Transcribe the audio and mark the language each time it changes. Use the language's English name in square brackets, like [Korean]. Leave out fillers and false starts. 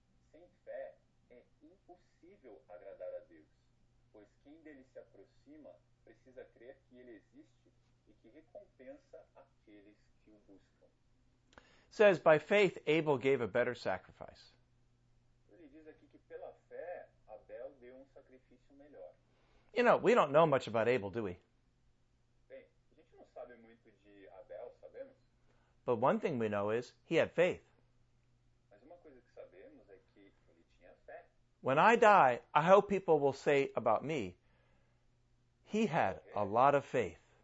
[Portuguese] Sem fé, é impossível agradar a Deus, pois quem dele se aproxima precisa crer que ele existe e que recompensa aqueles que o buscam. [English] Says, by faith, Abel gave a better sacrifice. [Portuguese] Ele diz aqui que pela fé, Abel deu sacrifício melhor. [English] You know, we don't know much about Abel, do we? [Portuguese] Bem, a gente não sabe muito de Abel, sabemos? [English] But one thing we know is he had faith. [Portuguese] Mas uma coisa que sabemos é que ele tinha fé. [English] When I die, I hope people will say about me, he had a lot of faith.